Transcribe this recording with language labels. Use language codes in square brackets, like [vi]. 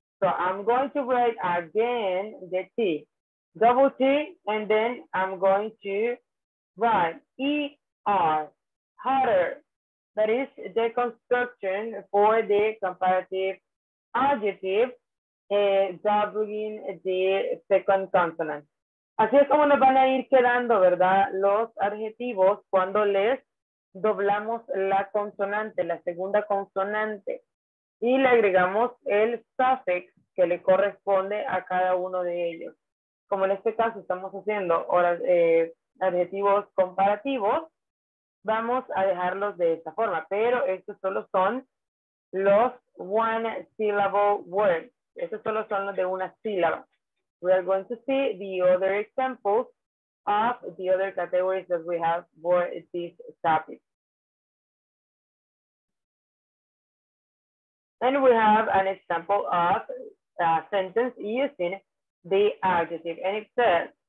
[en] So I'm going to write again the T, double T, and then I'm going to write E-R, hotter. That is the construction for the comparative adjective doubling the second consonant. [es] Así es como nos van a ir quedando, ¿verdad? Los adjetivos cuando les doblamos la consonante, la segunda consonante, y le agregamos el suffix que le corresponde a cada uno de ellos. Como en este caso estamos haciendo adjetivos comparativos, vamos a dejarlos de esta forma, pero estos solo son los [en] one syllable words. [es] Estos solo son los de una sílaba. [en] We are going to see the other examples of the other categories that we have for this topic. And we have an example of a sentence using the adjective. And it says,